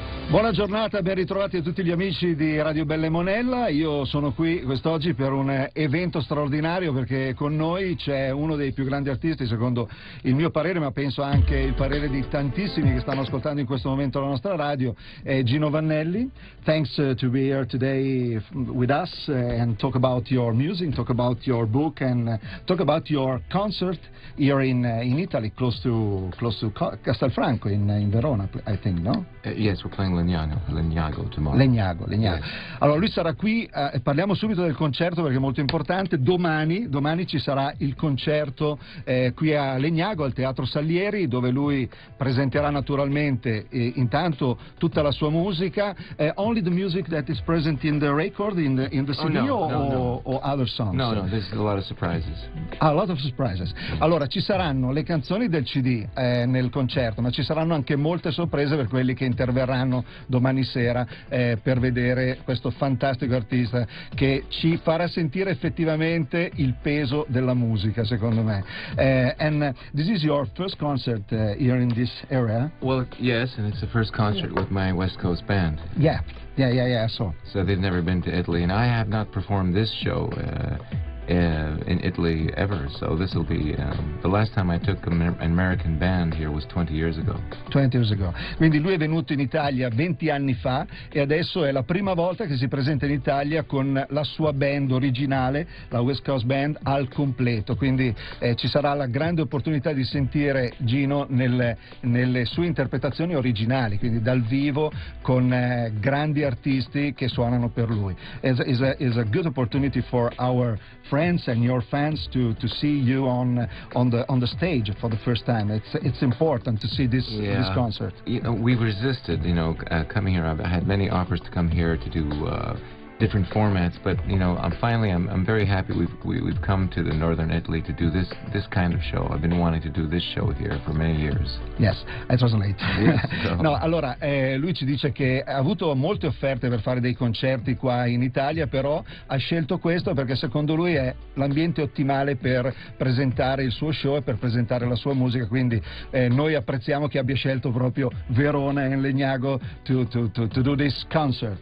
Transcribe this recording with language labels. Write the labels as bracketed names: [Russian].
[Italian] Buona giornata, ben ritrovati a tutti gli amici di Radio Belle Monella. Io sono qui quest'oggi per un evento straordinario perché con noi c'è uno dei più grandi artisti, secondo il mio parere, ma penso anche il parere di tantissimi che stanno ascoltando in questo momento la nostra radio, è Gino Vannelli. [English] Thanks to be here today with us and talk about your music, talk about your book and talk about your concert here in Italy, close to Castelfranco in Verona, I think, no? Yes, we're playing Legnago tomorrow. Legnago. Yes. [Italian] Allora, lui sarà qui, parliamo subito del concerto perché è molto importante. Domani ci sarà il concerto qui a Legnago, al Teatro Salieri, dove lui presenterà naturalmente intanto tutta la sua musica. [English] Only the music that is present in the record, in the CD, or other songs? No, this is a lot of surprises. A lot of surprises. [Italian] Allora, ci saranno le canzoni del CD nel concerto, ma ci saranno anche molte sorprese per quelli che interverranno domani sera per vedere questo fantastico artista che ci farà sentire effettivamente il peso della musica, secondo me. [English] And this is your first concert here in this area? Well, yes, and it's the first concert with my West Coast band. Yeah, so. So they've never been to Italy, and I have not performed this show in Italy ever, so this will be the last time I took an American band here was 20 years ago. [Italian] Quindi lui è venuto in Italia 20 anni fa e adesso è la prima volta che si presenta in Italia con la sua band originale, la West Coast Band, al completo. Quindi ci sarà la grande opportunità di sentire Gino nelle sue interpretazioni originali, quindi dal vivo con grandi artisti che suonano per lui. [English] It's a good opportunity for our friends and your fans to see you on the stage for the first time. It's important to see this, yeah, this concert. You know, we resisted, you know, coming here. I had many offers to come here to do different formats, but you know, I'm finally very happy we've come to the Northern Italy to do this kind of show. I've been wanting to do this show here for many years. Yes, it was late. Yes, so. [Italian] No, allora lui ci dice che ha avuto molte offerte per fare dei concerti qua in Italia, però ha scelto questo perché secondo lui è l'ambiente ottimale per presentare il suo show e per presentare la sua musica. Quindi noi apprezziamo che abbia scelto proprio Verona e Legnago to do this concert,